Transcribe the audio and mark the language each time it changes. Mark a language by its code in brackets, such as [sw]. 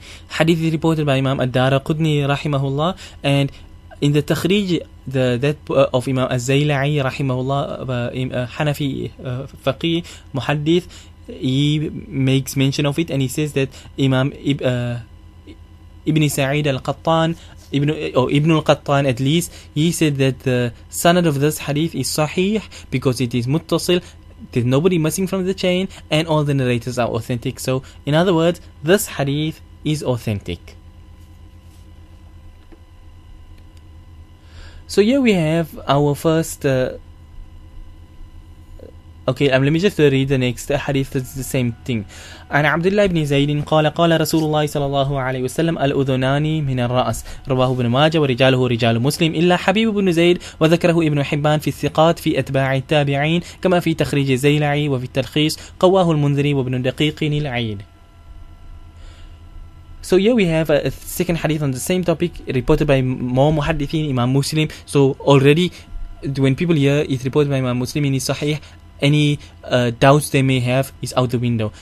[en] Hadith is reported by Imam Ad-Darqutni rahimahullah, and in the takhrij, of Imam Az-Zaylai rahimahullah, Hanafi faqih muhaddith, he makes mention of it, and he says that Imam Ibn Sa'id al-Qattan, Ibn al-Qattan at least, he said that the sanad of this hadith is sahih because it is muttasil, there's nobody missing from the chain, and all the narrators are authentic. So in other words, this hadith is authentic. So here we have our first Okay, let me just read the next hadith that's the same thing. [ar] عن عبد الله بن زيد قال قال رسول الله صلى الله عليه وسلم الأذنان من الرأس رواه ابن ماجه ورجاله رجال مسلم إلا حبيب بن زيد وذكره ابن حبان في الثقات في أتباع التابعين كما في تخريج الزيلعي وفي التلخيص قواه المنذري وابن الدقيق العيد. [en] So here we have a second hadith on the same topic reported by more muhaddithin, Imam Muslim. So already when people hear it reported by Imam Muslim in his Sahih, any doubts they may have is out the window.